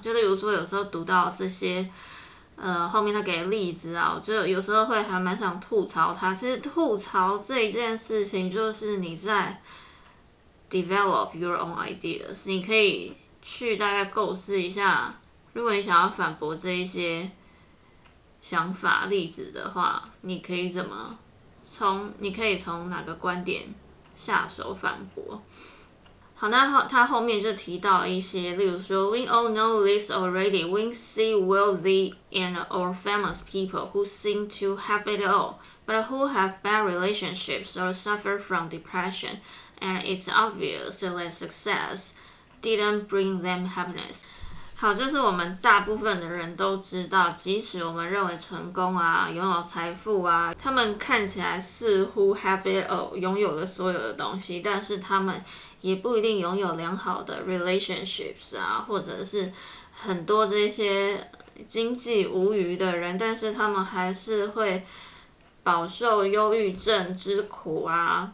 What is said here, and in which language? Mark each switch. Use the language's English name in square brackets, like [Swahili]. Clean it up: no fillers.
[Chinese] 就例如说有时候读到这些后面他给的例子啊，我就有时候会还蛮想吐槽他。其实吐槽这一件事情就是你在 [English] develop your own ideas, [Chinese] 你可以去大概构思一下，如果你想要反驳这一些想法例子的话，你可以怎么从你可以从哪个观点下手反驳。好，那他后面就提到一些，例如说 [English] We all know this already. We see wealthy and or famous people who seem to have it all, but who have bad relationships or suffer from depression, and it's obvious that success didn't bring them happiness. [Chinese] 好，就是我们大部分的人都知道，即使我们认为成功啊、拥有财富啊，他们看起来似乎 [English] have it all， [Chinese] 拥有了所有的东西，但是他们也不一定拥有良好的 relationships 啊，或者是很多这些经济无余的人，但是他们还是会饱受忧郁症之苦啊。